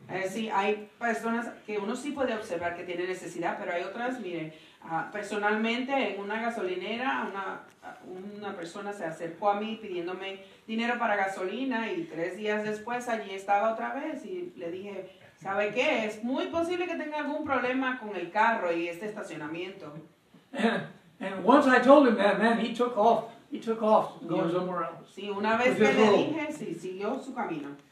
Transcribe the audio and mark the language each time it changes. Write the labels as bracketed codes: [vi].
[es] Sí, hay personas que uno sí puede observar que tiene necesidad, pero hay otras, mire, personalmente en una gasolinera, una persona se acercó a mí pidiéndome dinero para gasolina y 3 días después allí estaba otra vez y le dije, ¿sabe qué? Es muy posible que tenga algún problema con el carro y este estacionamiento. [en] And once I told him that, man, he took off going somewhere else. [es] Sí, una vez que le dije, sí, siguió su camino.